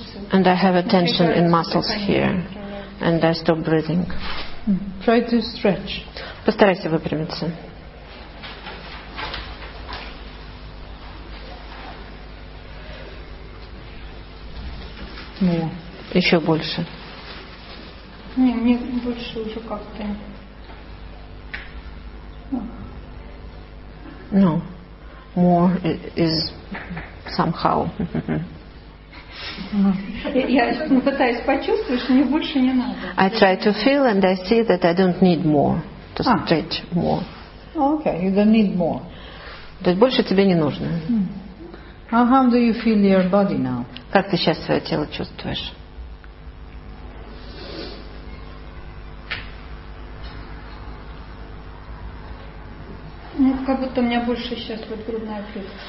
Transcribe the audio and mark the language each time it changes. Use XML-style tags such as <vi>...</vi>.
<en>And I have a tension in muscles here, and I stop breathing. Try to stretch.</en> <ru>Постарайся выпрямиться. Нет. Еще больше. Не, мне больше уже как-то.</ru> <en>No, more is somehow.</en> <ru>Я пытаюсь почувствовать, что мне больше не надо.</ru> <en>I try to feel and I see that I don't need more to stretch more. Okay, you don't need more.</en> <ru>То есть больше тебе не нужно.</ru> <en>How do you feel your body now?</en> <ru>Как ты сейчас свое тело чувствуешь? Ну, как будто у меня больше сейчас вот грудная клетка.</ru>